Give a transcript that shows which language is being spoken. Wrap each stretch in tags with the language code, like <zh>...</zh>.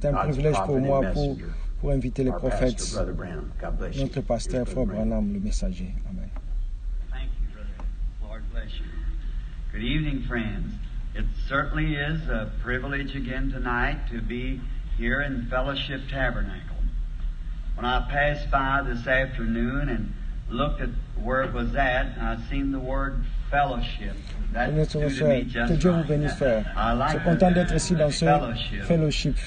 <fr>C'est un privilège pour moi pour inviter les prophètes. Notre pasteur, Frère Branham, le messager. Amen.</fr> <en>Thank you, brother. Lord bless you. Good evening, friends. It certainly is a privilege again tonight to be here in Fellowship Tabernacle. When I passed by this afternoon and looked at where it was at, I seen the word fellowship.</en> <fr>Que Dieu vous bénisse, frère. Je suis content d'être ici dans ce fellowship.</fr>